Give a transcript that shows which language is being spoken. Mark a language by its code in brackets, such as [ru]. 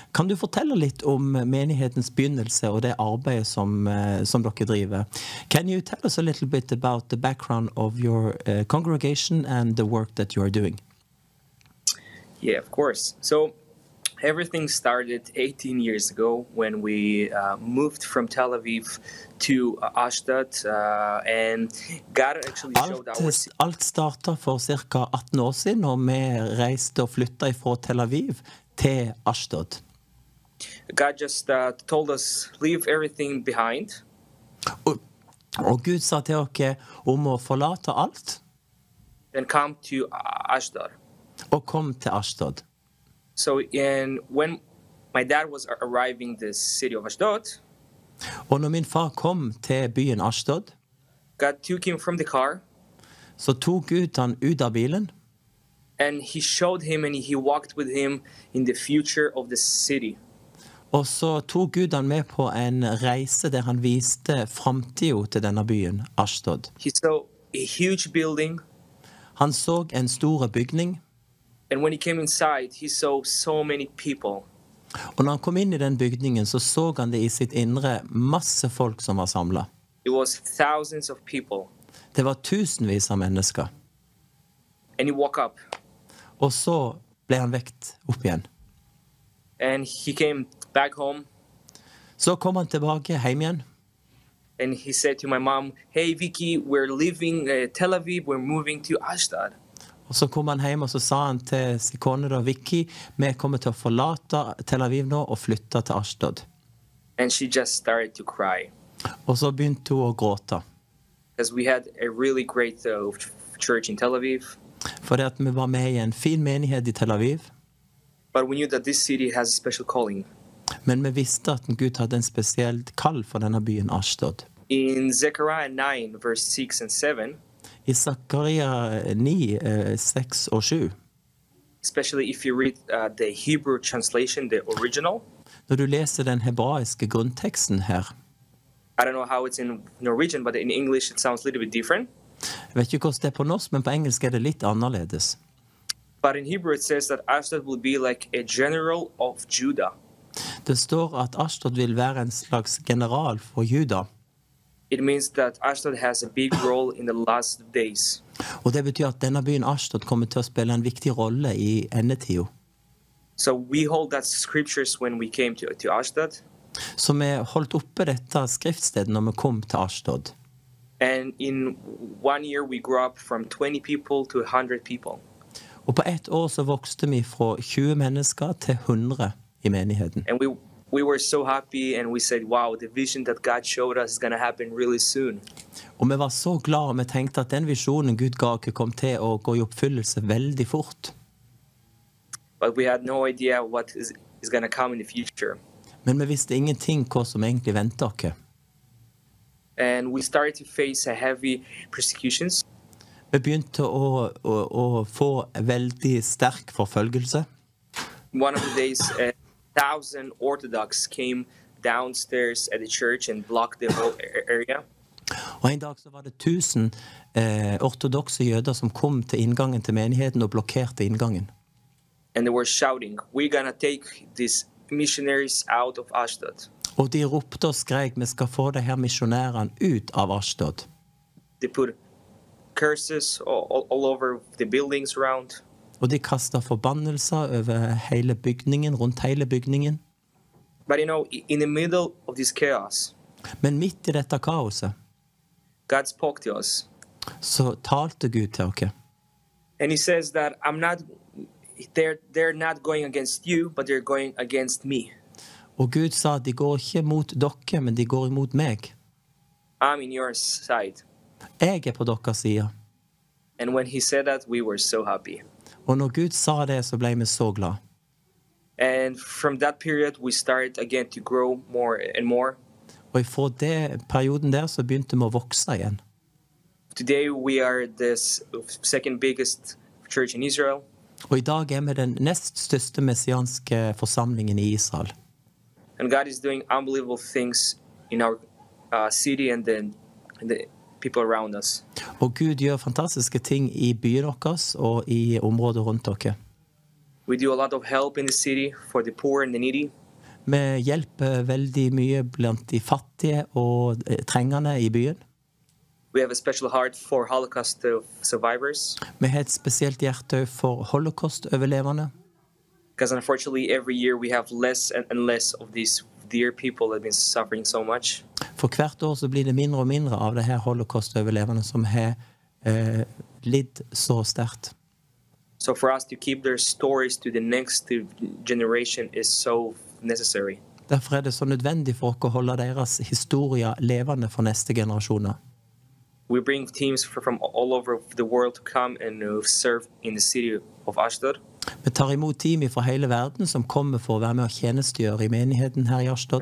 [no] Kan du fortelle litt om menighetens begynnelse og det arbeidet som dere driver? [en] Can you tell us a little bit about the background of your congregation and the work that you are doing? Yeah, of course. So everything started 18 years ago when we moved from Tel Aviv to Ashdod, and God actually [no] alt startet for cirka 18 år siden når vi reiste og flyttet fra Tel Aviv til Ashdod. [en] God just told us leave everything behind. [no] Og Gud sa til dere om å forlate alt. [en] then come to Ashdod. [no] Og kom til Ashdod. [en] So in when my dad was arriving the city of Ashdod. [no] Og når min far kom til byen Ashdod. [en] God took him from the car. [no] Så tog Gud han ut av bilen. [en] And he showed him and he walked with him in the future of the city. [no] Og så tog Gud han med på en reise der han viste framtiden til denne byen Ashdod. [en] He saw a huge building. [no] Han såg en stor bygning. [en] And when he came inside, he saw so many people. [no] Og når han kom inn I den bygningen, så såg han det I sitt indre masse folk som var samlet. [en] It was thousands of people. [no] Det var tusenvis av mennesker. [en] And he woke up. [no] Og så ble han vekt opp igjen. [en] And he came back home. [no] Så kom han tilbake hjem igjen. [en] And he said to my mom, hey Vicky, we're leaving Tel Aviv, we're moving to Ashdod. [no] Og så kom han hjem og så sa han til sin kone da, Vicky, vi kommer til å forlate Tel Aviv nå og flytte til Ashdod. [en] And she just started to cry. [no] Og så begynte hun å gråte. [en] Because we had a really great church in Tel Aviv. [no] Fordi at vi var med I en fin menighet I Tel Aviv. [en] But we knew that this city has a special calling. [no] Men vi visste at Gud hadde en spesiell kall for denne byen Ashdod. [en] In Zechariah 9, verse 6 and 7. [no] I Zechariah 9, 6 og 7. [en] Especially if you read the Hebrew translation, the original. [no] Når du leser den hebraiske grunnteksten her. [en] I don't know how it's in Norwegian, but in English it sounds a little bit different. [no] Jeg vet ikke hvordan det på norsk, men på engelsk det litt annerledes. [en] But in Hebrew it says that Ashdod will be like a general of Judah. [no] Det står at Ashdod vil være en slags general for Juda. [en] It means that Ashdod has a big role in the last days. [no] Og det betyr at denne byen Ashdod kommer til å spille en viktig rolle I endetiden. [en] So we hold that scriptures when we came to Ashdod. [no] Så vi holdt oppe dette skriftstedet når vi kom til Ashdod. [en] And in one year we grew up from 20 people to 100 people. [no] Og på ett år så vokste vi fra 20 mennesker til 100 I menigheten. [en] And we were so happy and we said, wow, the vision that God showed us is going to happen really soon. [no] Og vi var så glad og vi tenkte at den visionen Gud ga oss kom til å gå I oppfyllelse veldig fort. [en] But we had no idea what is going to come in the future. [no] Men vi visste ingenting hva som egentlig ventet oss. [en] And we started to face a heavy persecutions. [no] Vi begynte å få veldig sterk forfølgelse. [en] One of the days, 1,000 Orthodox came downstairs at the church and blocked the whole area. [no] Og en dag så var det 1,000 ortodoxe jøder som kom til inngangen til menigheten og blokkerte inngangen. [en] And they were shouting, we're gonna take these missionaries out of Ashdod. [no] Og de ropte og skrek, vi skal få de her misjonærene ut av Ashdod. [en] They put curses all over the buildings around. [no] Og de kastet forbannelser over hele bygningen, rundt hele bygningen. [en] But you know, in the middle of this chaos. [no] Men midt I dette kaoset. [en] God spoke to us. [no] Så talte Gud til oss. [en] And he says that I'm not, they're not going against you, but they're going against me. [no] Og Gud sa at de går ikke mot dere, men de går imot meg. [en] I'm in your side. [no] Jeg på deres side. [en] And when he said that, we were so happy. [no] Og når Gud sa det, så ble vi så glad. [en] And from that period, we started again to grow more and more. [no] Og fra den perioden der, så begynte vi å vokse igjen. [en] Today, we are the second biggest church in Israel. [no] Og I dag vi den nest største messianske forsamlingen I Israel. [en] And God is doing unbelievable things in our city and then the people around us. [no] Og Gud gjør fantastiske ting I byen deres og I området rundt dere. [en] We do a lot of help in the city for the poor and the needy. [no] Vi hjelper veldig mye blant de fattige og trengende I byen. [en] We have a special heart for Holocaust survivors. [no] Vi har et spesielt hjerte for Holocaust-overlevende. [en] Because unfortunately every year we have less and less of these dear people that have been suffering so much. [no] For hvert år så blir det mindre og mindre av det her holocaust-overlevende som har lidd så sterkt. [en] So for us to keep their stories to the next generation is so necessary. [no] Derfor det så nødvendig for oss å holde deres historier levende for neste generasjoner. [en] We bring teams from all over the world to come and serve in the city of Ashdod. [no] Vi tar imot team fra hele verden som kommer for å være med og tjenestegjøre I menigheten her I Ashdod.